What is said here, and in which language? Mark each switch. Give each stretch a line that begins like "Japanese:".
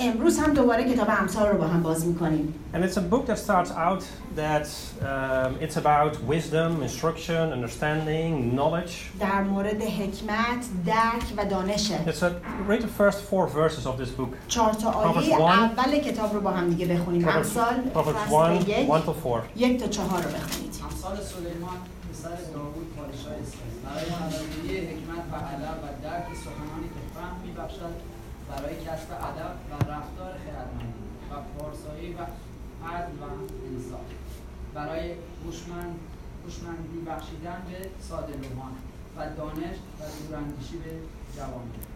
Persian: امروز هم دوباره کتاب امثال رو با هم باز می‌کنیم.
English: And it's a book that starts out that it's about wisdom, instruction, understanding, knowledge.
Persian: در مورد حکمت، درک و دانش.
English: It's a read the first four verses of this book.
Persian: چهار تا آیه اول کتاب رو با هم دیگه بخونیم. امثال
English: Proverbs 1 to 4.
Persian: یک تا چهار رو بخونید. امثال سلیمان پسر داوود پادشاه است. برای مردمی حکمت و علم و درک سخنانی که فهم می‌بخشد برای کسب ادب و رفتار خردمند و پارسایی و عدل و انصاف برای هوشمندی بخشیدن به ساده لوحان و دانش و دوراندیشی به جوانان.